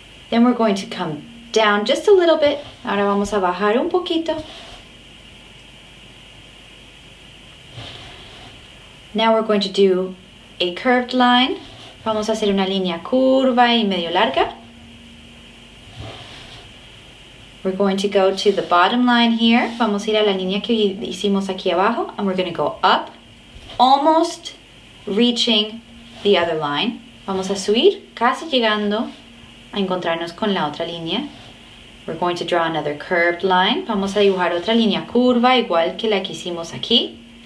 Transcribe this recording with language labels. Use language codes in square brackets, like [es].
[en] Then we're going to come down just a little bit. [es] Ahora vamos a bajar un poquito. [en] Now we're going to do a curved line. [es] Vamos a hacer una línea curva y medio larga. [en] We're going to go to the bottom line here. [es] Vamos a ir a la línea que hicimos aquí abajo. [en] And we're going to go up. Almost reaching the other line. [es] Vamos a subir, casi llegando a encontrarnos con la otra línea. [en] We're going to draw another curved line. [es] Vamos a dibujar otra línea curva, igual que la que hicimos aquí.